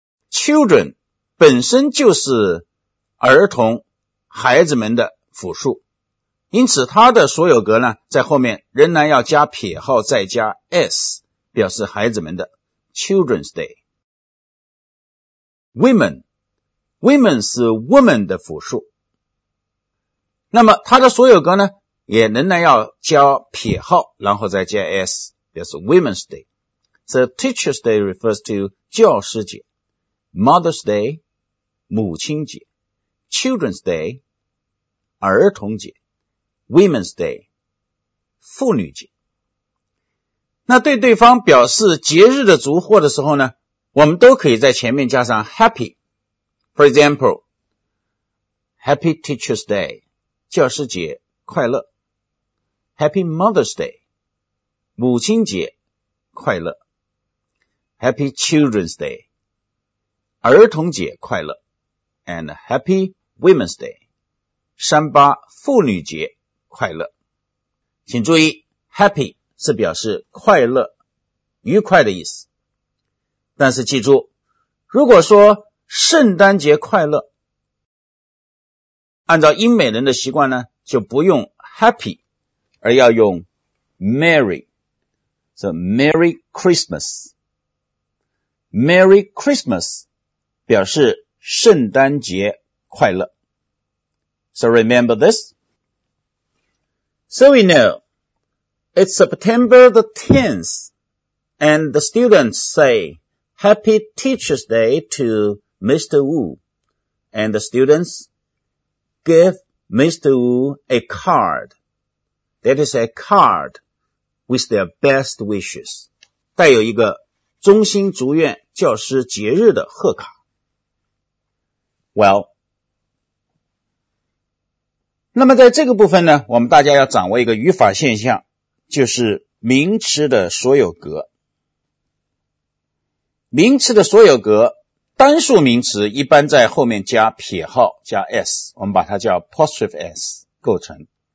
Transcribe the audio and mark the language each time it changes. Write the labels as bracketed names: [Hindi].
[Chinese] Children 本身就是儿童、孩子们的复数，因此它的所有格呢在后面仍然要加撇号再加 S, 表示孩子们的， Children's Day。 Women, Women 是 Woman 的复数，那么它的所有格呢也仍然要加撇号然后再加 S, 表示 Women's Day。 [English] So Teacher's Day refers to 教师节， Mother's Day 母亲节， Children's Day 儿童节，Women's Day, 妇女节。 [Chinese] 那对对方表示节日的祝贺的时候呢，我们都可以在前面加上 Happy。 [English] For example, Happy Teacher's Day, [Chinese] 教师节快乐。 [English] Happy Mother's Day, [Chinese] 母亲节快乐。 [English] Happy Children's Day, [Chinese] 儿童节快乐。 [English] And Happy Women's Day, [Chinese] 三八妇女节快乐。请注意 Happy 是表示快乐、愉快的意思，但是记住如果说圣诞节快乐，按照英美人的习惯呢就不用 Happy 而要用 Merry。 [English] So Merry Christmas, Merry Christmas [Chinese] 表示圣诞节快乐。 [English] So remember thisSo we know, it's September the 10th, and the students say Happy Teacher's Day to Mr. Wu, and the students give Mr. Wu a card, that is a card with their best wishes, [Chinese] 带有一个衷心祝愿教师节日的贺卡。 [English] Well, [Chinese] 那么在这个部分呢，我们大家要掌握一个语法现象，就是名词的所有格。名词的所有格，单数名词一般在后面加撇号加 S, 我们把它叫 apostrophe S 构成。